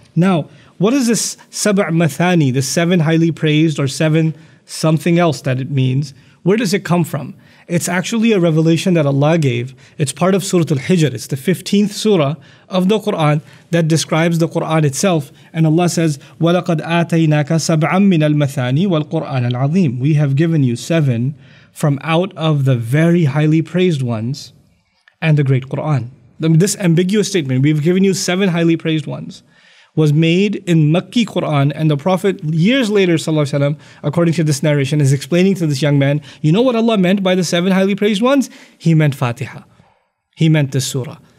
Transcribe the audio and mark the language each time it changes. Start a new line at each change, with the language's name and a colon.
English: Now, what is this sab' mathani, the seven highly praised or seven something else that it means? Where does it come from? It's actually a revelation that Allah gave. It's part of Surah Al-Hijr. It's the 15th surah of the Quran that describes the Quran itself. And Allah says,
Arabic: وَلَقَدْ آتَيْنَاكَ سَبْعًا مِنَ الْمَثَانِي وَالْقُرْآنَ الْعَظِيمِ.
English: We have given you seven from out of the very highly praised ones and the great Quran. This ambiguous statement, we've given you seven highly praised ones, was made in Makki Quran, and the Prophet years later, sallallahu alaihi wasallam, according to this narration, is explaining to this young man, you know what Allah meant by the seven highly praised ones? He meant Fatiha. He meant this surah.